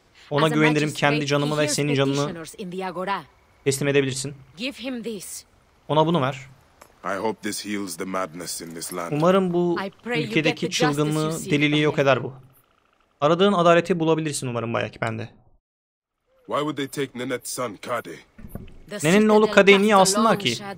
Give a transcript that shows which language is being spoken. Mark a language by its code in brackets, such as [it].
[tr] Ona güvenirim kendi canımı ve senin canını teslim edebilirsin. [en] Give him this. [tr] Ona bunu ver. [en] I hope this heals the madness in this land. [tr] Umarım bu ülkedeki çılgınlığı, deliliği yok eder bu. Aradığın adaleti bulabilirsin umarım bayak bende. [en] Why would they take Nenet's son Kade? [tr] Nenet'in oğlu Kade'yi niye alsınlar ki?